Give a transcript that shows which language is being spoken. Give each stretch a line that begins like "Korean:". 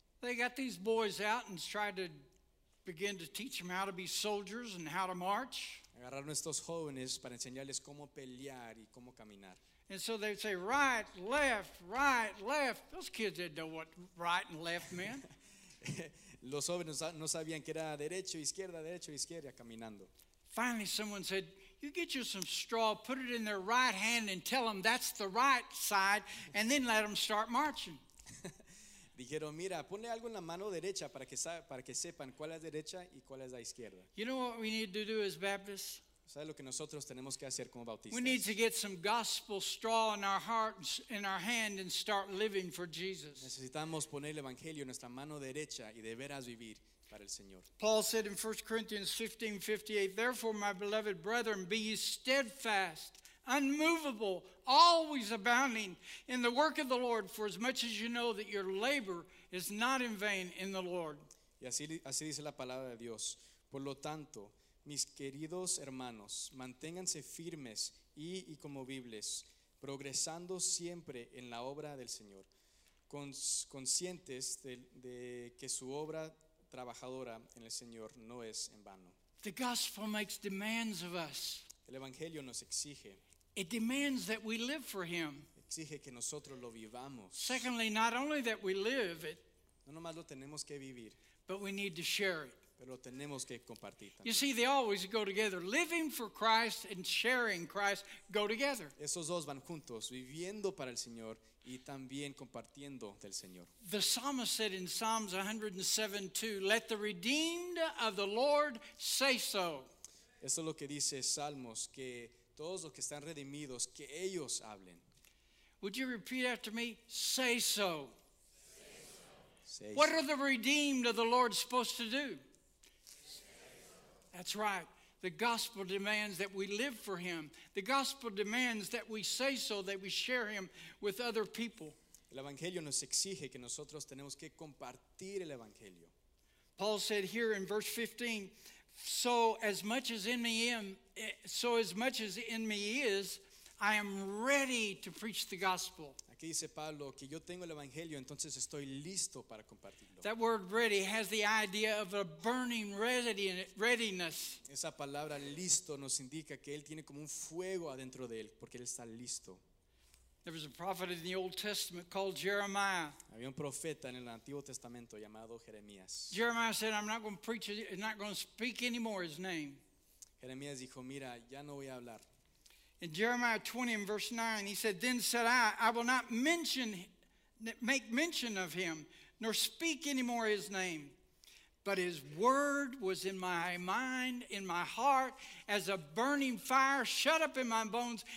English: They got these boys out and tried to begin to teach them how to be soldiers and how to march.
Spanish: Agarraron estos jóvenes para enseñarles cómo pelear y cómo caminar.
English: And so they'd say, right, left, right, left. Those kids didn't know what right and left meant.
Spanish: Los jóvenes no sabían que era derecho, izquierda, caminando.
English: Finally, someone said, you get you some straw, put it in their right hand and tell them that's the right side, and then let them start marching.
Spanish: Dijeron, mira, ponle algo en la mano derecha para que sepan cuál es la derecha y cuál es la izquierda.
English: You know what we need to do as Baptists?
Spanish: ¿Sabes lo que nosotros tenemos que hacer como bautistas?
English: We need to get some gospel straw in our heart, in our hand, and start living for Jesus.
Spanish: Necesitamos poner el evangelio en nuestra mano derecha y de veras vivir para el Señor.
English: Paul said in 1 Corinthians 15:58, therefore, my beloved brethren, be ye steadfast, unmovable, always abounding in the work of the Lord, for as much as you know that your labor is not in vain in the Lord.
Spanish: Y así dice la palabra de Dios. Por lo tanto, mis queridos hermanos, manténganse firmes y inconmovibles, progresando siempre en la obra del Señor, conscientes de que su obra trabajadora en el Señor no es en vano.
English: The gospel makes demands of us.
Spanish: El evangelio nos exige.
English: It demands that we live for him.
Spanish: Exige que nosotros lo vivamos.
English: Secondly, not only that we live it.
Spanish: No nomás lo tenemos que vivir.
English: But we need to share it.
Spanish: Pero lo tenemos que compartir también.
English: You see, they always go together. Living for Christ and sharing Christ go together.
Spanish: Esos dos van juntos, viviendo para el Señor y también compartiendo del Señor.
English: The psalmist said in Psalms 107:2, "Let the redeemed of the Lord say so."
Spanish: Eso es lo que dice Salmos, que todos los que están redimidos, que ellos hablen.
English: Would you repeat after me? Say so. Say so. What are the redeemed of the Lord supposed to do? Say so. That's right. The gospel demands that we live for Him. The gospel demands that we say so, that we share Him with other people.
Spanish: El evangelio nos exige que nosotros tenemos que compartir el evangelio.
English: Paul said here in verse 15, So as much as in me is, I am ready to preach the gospel.
Spanish: Aquí dice Pablo que yo tengo el evangelio, entonces estoy listo para compartirlo.
English: That word ready has the idea of a burning readiness.
Spanish: Esa palabra listo nos indica que él tiene como un fuego adentro de él, porque él está listo.
English: There was a prophet in the Old Testament called Jeremiah.
Spanish: Había un profeta en el Antiguo Testamento llamado Jeremías.
English: Jeremiah said, "I'm not going to preach. I'm not going to speak anymore." His name.
Spanish: Jeremías dijo, "Mira, ya no voy a hablar."
English: In Jeremiah 20, in verse 9, he said, "Then said I will not make mention of him, nor speak anymore his name. But his word was in my mind, in my heart, as a burning fire shut up in my bones.